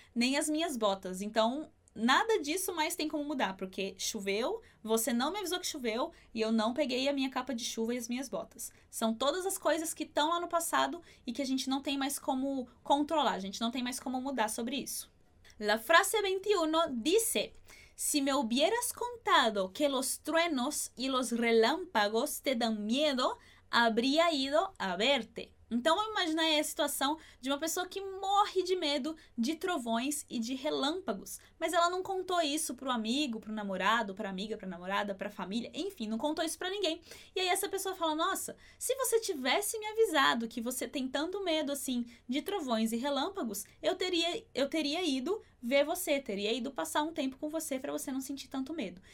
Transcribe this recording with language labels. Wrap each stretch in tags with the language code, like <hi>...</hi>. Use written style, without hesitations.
<pt>Nem as minhas botas. Então, nada disso mais tem como mudar, porque choveu, você não me avisou que choveu, e eu não peguei a minha capa de chuva e as minhas botas. São todas as coisas que estão lá no passado e que a gente não tem mais como controlar, a gente não tem mais como mudar sobre isso.</pt> <es>La frase 21 dice: si me hubieras contado que los truenos y los relámpagos te dan miedo, habría ido a verte.</es> <pt>Então, vamos imaginar aí a situação de uma pessoa que morre de medo de trovões e de relâmpagos. Mas ela não contou isso pro amigo, pro namorado, pra amiga, pra namorada, pra família. Enfim, não contou isso pra ninguém. E aí essa pessoa fala: nossa, se você tivesse me avisado que você tem tanto medo, assim, de trovões e relâmpagos, eu teria ido ver você, teria ido passar um tempo com você para você não sentir tanto medo.</pt>